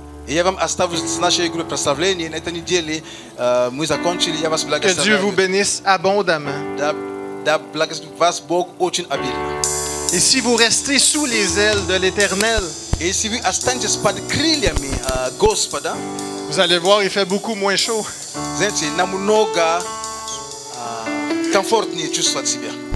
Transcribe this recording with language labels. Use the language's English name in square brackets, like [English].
[Russian] Я вам оставлю с нашей группой прославления на этой неделе. Мы закончили. Я вас благословляю. [French] Que Dieu vous bénisse abondamment. [Russian] Да благословит вас Бог очень обильно. [French] Et si vous restez sous les ailes de l'Éternel, et si vous attendez pas de crillami, Господа, vous allez voir, il fait beaucoup moins chaud. [Russian] Знаете, намного комфортнее чувствовать себя.